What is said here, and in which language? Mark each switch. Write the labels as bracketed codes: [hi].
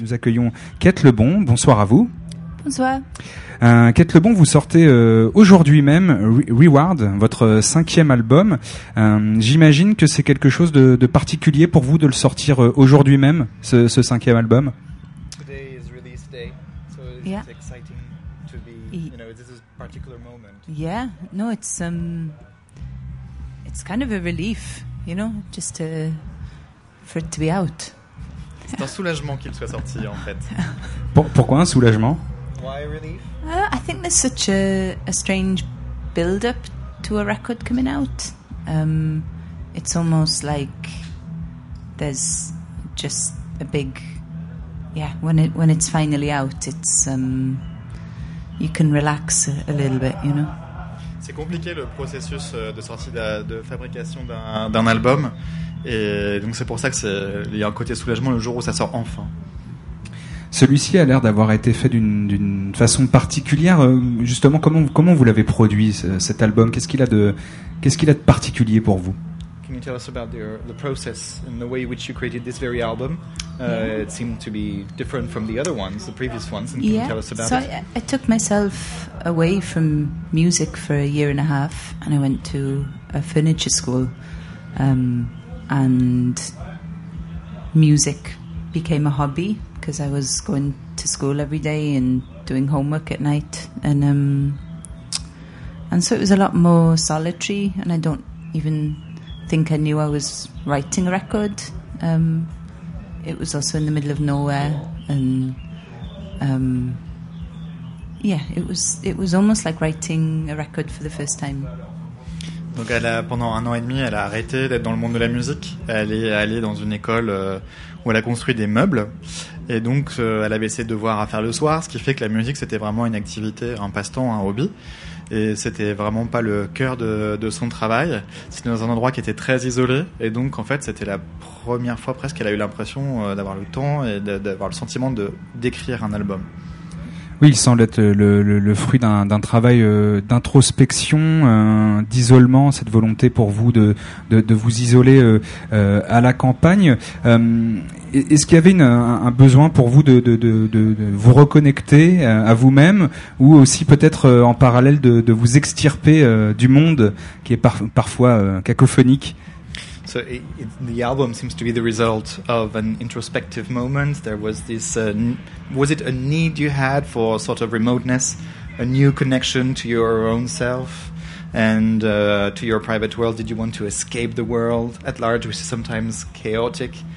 [fr] Nous accueillons Quête le Bon, bonsoir à vous. Bonsoir. Quête le Bon, vous sortez aujourd'hui même Reward, votre cinquième album. J'imagine que c'est quelque chose de particulier pour vous de le sortir aujourd'hui même, ce cinquième album. [en] Today is release day, so it's exciting to be, you know, this is a particular moment. Yeah, no, it's kind of a relief, you know, just to, for it to be out. [fr] C'est un soulagement qu'il soit sorti en fait. Pourquoi un soulagement? [en] Why relief? I think there's such a strange build-up to a record coming out. It's almost like there's just a big, yeah. When it's finally out, it's you can relax a little bit, you know. [fr] C'est compliqué le processus de sortie de fabrication d'un album, et donc c'est pour ça que il y a un côté soulagement le jour où ça sort enfin. Celui-ci a l'air d'avoir été fait d'une façon particulière. Justement, comment vous l'avez produit, cet album? Qu'est-ce qu'il a de particulier pour vous? [en] Can you tell us about the process and the way in which you created this very album? It seemed to be different from the other ones, the previous ones. And can you tell us about so it? So I took myself away from music for a year and a half, and I went to a furniture school, and music became a hobby. Because I was going to school every day and doing homework at night, and so it was a lot more solitary. And I don't even think I knew I was writing a record. It was also in the middle of nowhere, and it was almost like writing a record for the first time. [fr] Donc elle a, pendant un an et demi, elle a arrêté d'être dans le monde de la musique. Elle est allée dans une école où elle a construit des meubles. Et donc, elle avait ses devoirs à faire le soir, ce qui fait que la musique, c'était vraiment une activité, un passe-temps, un hobby. Et c'était vraiment pas le cœur de son travail. C'était dans un endroit qui était très isolé. Et donc, en fait, c'était la première fois presque qu'elle a eu l'impression d'avoir le temps et d'avoir le sentiment de, d'écrire un album. Oui, il semble être le fruit d'un travail d'introspection, d'isolement, cette volonté pour vous de vous isoler à la campagne. Est-ce qu'il y avait un besoin pour vous de vous reconnecter à vous-même, ou aussi peut-être en parallèle de vous extirper du monde qui est parfois cacophonique? [en] So the album seems to be the result of an introspective moment. There was this, was it a need you had for a sort of remoteness, a new connection to your own self and to your private world? Did you want to escape the world at large, which is sometimes chaotic?